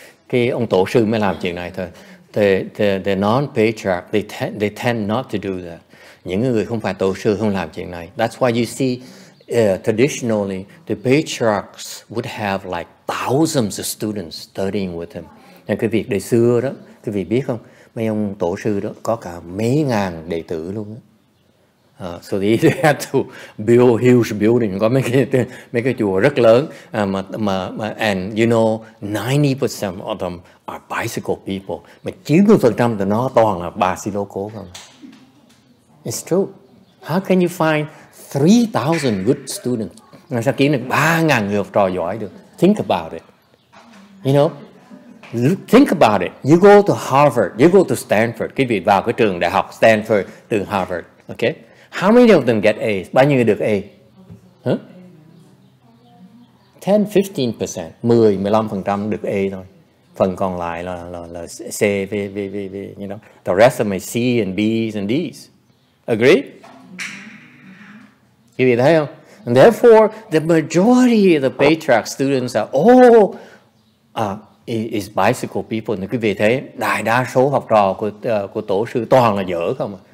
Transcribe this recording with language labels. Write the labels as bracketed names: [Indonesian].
[Vietnamese] Cái ông tổ sư mới làm chuyện này thôi. [English] The non-patriarch, they tend not to do that. [Vietnamese] Những người không phải tổ sư không làm chuyện này. [English] That's why you see traditionally, the patriarchs would have like thousands of students studying with him. [Vietnamese] Nên cái việc đời xưa đó, quý vị biết không? Mấy ông tổ sư đó có cả mấy ngàn đệ tử luôn. [English] So they had to build huge building, [Vietnamese] có mấy cái chùa rất lớn. [English] And you know, 90% of them are bicycle people. [Vietnamese] Mà 90% thì nó toàn là bà xí lô cố không? [English] It's true. How can you find 3,000 good students? [Vietnamese] Nó sẽ kiếm được 3,000 người học trò giỏi được. [English] Think about it. You know? Think about it. You go to Harvard. You go to Stanford. [Vietnamese] Quý vị vào cái trường đại học Stanford, trường Harvard. [English] Okay? How many of them get A's? [Vietnamese] Bao nhiêu người được A? Huh? 10-15%. 10-15% được A thôi. Phần còn lại là C, V, V, V, V. [English] You know? The rest of them is C and B's and D's. Agree? [Vietnamese] Quý vị thấy không? [English] And therefore, the majority of the patriarch students are all is bicycle people. [Vietnamese] Nên quý vị thấy đại đa số học trò của tổ sư toàn là dở không.